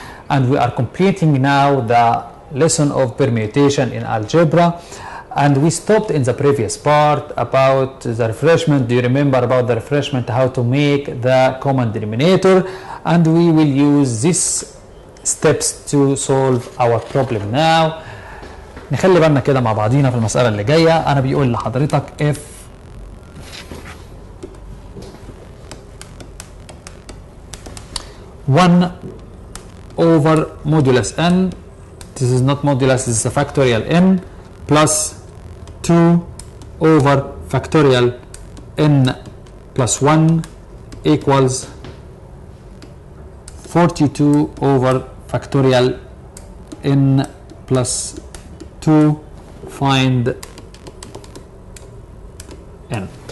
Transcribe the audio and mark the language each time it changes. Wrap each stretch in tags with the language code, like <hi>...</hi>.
<en>And we are completing now the lesson of permutation in algebra. And we stopped in the previous part about the refreshment. Do you remember about the refreshment, how to make the common denominator? And we will use these steps to solve our problem now.</en> <ar>نخلي بالنا كده مع بعضينا في المسألة اللي جاية. أنا بيقول لحضرتك</ar> <en>if one over modulus n, this is not modulus, this is a factorial n, plus 2 over factorial n plus 1 equals 42 over factorial n plus 2, find n.</en>